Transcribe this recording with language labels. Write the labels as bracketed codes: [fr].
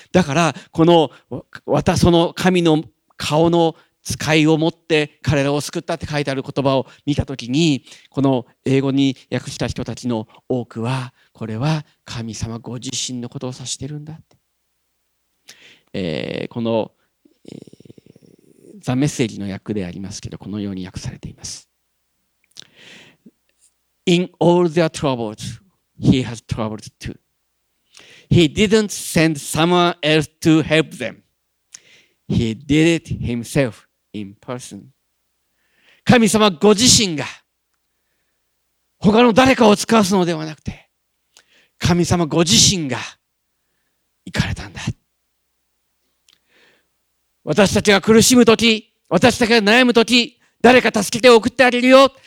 [ja] だからこの私、その神の顔の使いを持って彼らを救ったって書いてある言葉を見た時に、この英語に訳した人たちの多くは、これは神様ご自身のことを指してるんだって。この、ザ・メッセージの訳でありますけど、このように訳されています。 [en] In all their troubles, he has troubled too. He didn't send someone else to help them. He did it himself in person. [ja] 神様ご自身が他の誰かを使わすのではなくて、神様ご自身が行かれたんだ。私たちが苦しむとき、私たちが悩むとき、誰か助けて送ってあげるよ。